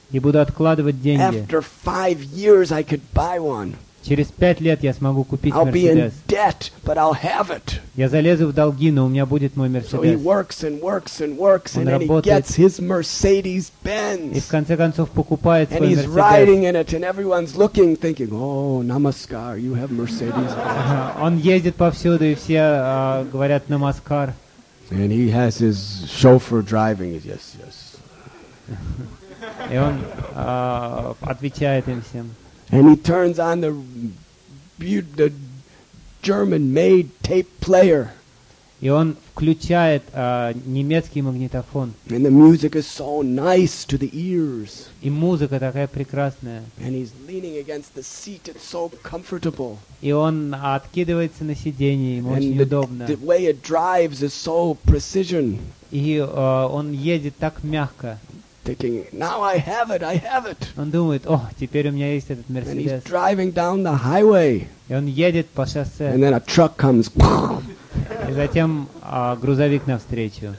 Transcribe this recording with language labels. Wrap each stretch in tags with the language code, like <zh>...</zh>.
<ru>и буду откладывать деньги.</ru> <en>After 5 years I could buy one.</en> <ru>Через 5 лет я смогу купить</ru> <en>I'll</en> <ru>Мерседес.</ru> <en>Be in debt, but I'll have it.</en> <ru>Я залезу в долги, но у меня будет мой Мерседес.</ru> <en>So he works and works and works,</en> <ru>он</ru> <en>and</en> <ru>работает.</ru> <en>He gets his Mercedes-Benz.</en> <ru>И в конце концов покупает свой</ru> <en>and</en> <ru>Мерседес.</ru> <en>He's riding in it, and everyone's looking, thinking, "Oh, Namaskar, you have Mercedes."</en> <ru>Он ездит повсюду, и все говорят Намаскар.</ru> <en>And he has his chauffeur driving. Yes, yes.</en> <ru>И он отвечает им всем.</ru> <en>And he turns on the German-made tape player.</en> <ru>И он включает немецкий магнитофон.</ru> <en>And the music is so nice to the ears.</en> <ru>И музыка такая прекрасная.</ru> <en>And he's leaning against the seat; it's so comfortable.</en> <ru>И он откидывается на сиденье, ему очень удобно.</ru> <en>And the way it drives is so precision.</en> <ru>И он едет так мягко.</ru> <en>Thinking, now I have it, I have it.</en> <ru>Он думает, о, теперь у меня есть этот Мерседес.</ru> <en>And he's driving down the highway.</en> <ru>И он едет по шоссе.</ru> <en>And then a truck comes.</en> <ru>И затем грузовик навстречу.</ru>